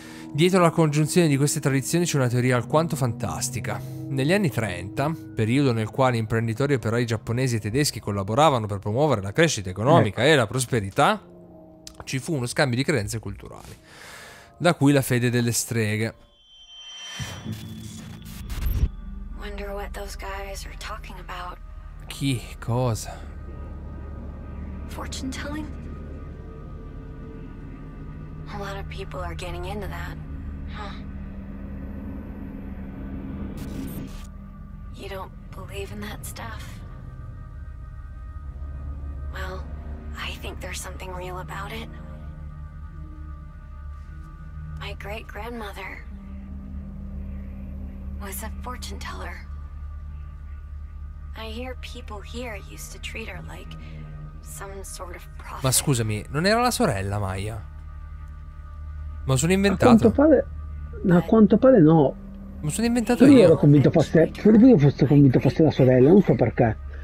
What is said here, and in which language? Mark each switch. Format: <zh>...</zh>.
<it>Dietro la congiunzione di queste tradizioni c'è una teoria alquanto fantastica. Negli anni 30, periodo nel quale imprenditori e operai giapponesi e tedeschi collaboravano per promuovere la crescita economica e la prosperità, ci fu uno scambio di credenze culturali, da cui la fede delle streghe.</it> <en>Wonder what those guys are talking about.</en> <it>Chi? Cosa?</it> <en>Fortune telling? A lot of people are getting into that, huh? You don't believe in that stuff? Well, I think there's something real about it. My great-grandmother was a fortune teller. I hear people here used to treat her like some sort of prophet.</en> <it>Ma scusami, non era la sorella Maya? Ma sono inventato. A quanto pare no. Ma sono inventato io. Io ero convinto fosse la sorella, non so perché.</it>